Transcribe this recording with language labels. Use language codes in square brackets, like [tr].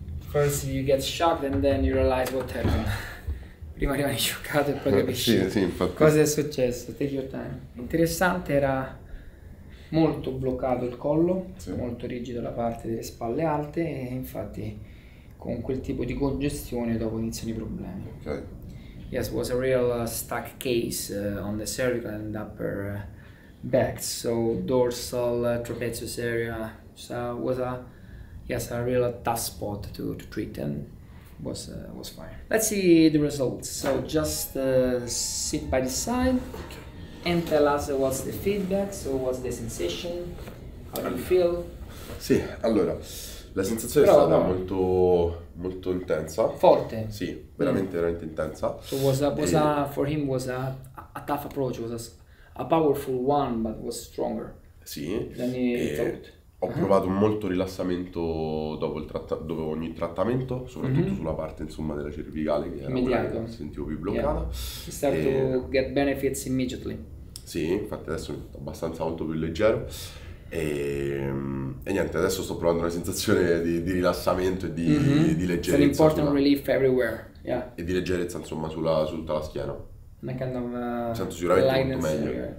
[en] First you get shocked and then you realize what happened. [it] Prima rimani scioccato e poi capisci sì, infatti. Cosa è successo. [en] Take your time. [it] Interessante, era molto bloccato il collo, sì. Molto rigido la parte delle spalle alte e infatti con quel tipo di congestione dopo iniziano i problemi. [en] Okay. Yes, it was a real stuck case on the cervical and upper back, so dorsal, trapezius area, so was a yes, a real tough spot to treat and was fine. Let's see the results. So just sit by the side and tell us what's the feedback. So what's the sensation? How do you feel? [it] Sì, allora, la sensazione però, è stata molto molto intensa. Forte. Sì, veramente veramente intensa. [en] So was a tough approach. Was a powerful one, but was stronger. [it] Sì. [en] Than he thought. [it] Ho provato molto rilassamento dopo ogni trattamento, soprattutto sulla parte insomma della cervicale che immediato. Era che sentivo più bloccata. [en] Yeah. Start to get benefits immediately. [it] Sì, infatti adesso mi sento abbastanza molto più leggero e niente, adesso sto provando una sensazione di rilassamento e di leggerezza. [en] An important relief everywhere. Yeah. [it] E di leggerezza insomma su tutta la schiena. [en] Una kind of [it] sento sicuramente molto meglio.